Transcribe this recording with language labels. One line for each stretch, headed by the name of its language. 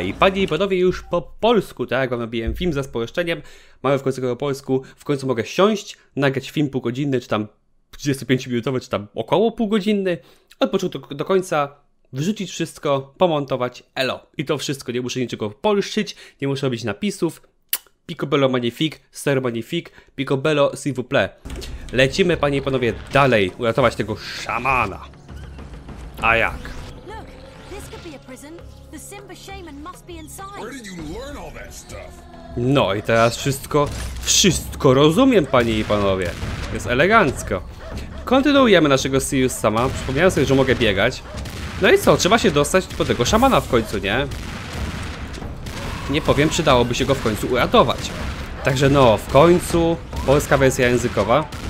Polish: I panie i panowie, już po polsku, tak jak wam robiłem film za sporeszczeniem, mamy w końcu go po polsku, w końcu mogę siąść, nagrać film półgodzinny, czy tam 35-minutowy, czy tam około półgodzinny, od początku do końca, wrzucić wszystko, pomontować, elo. I to wszystko, nie muszę niczego polszczyć, nie muszę robić napisów, picobello magnifique, ser magnifique, picobello s'il vous plaît. Lecimy, panie i panowie, dalej uratować tego szamana. A jak?
English: Look, this could be a prison. The Simba shaman must be inside. Where did you learn all that stuff?
Polish: No i teraz wszystko rozumiem, panie i panowie. Jest elegancko. Kontynuujemy naszego Serious Sama. Przypomniałem sobie, że mogę biegać. No i co, trzeba się dostać do tego szamana w końcu, nie? Nie powiem, przydałoby się go w końcu uratować. Także no, w końcu polska wersja językowa.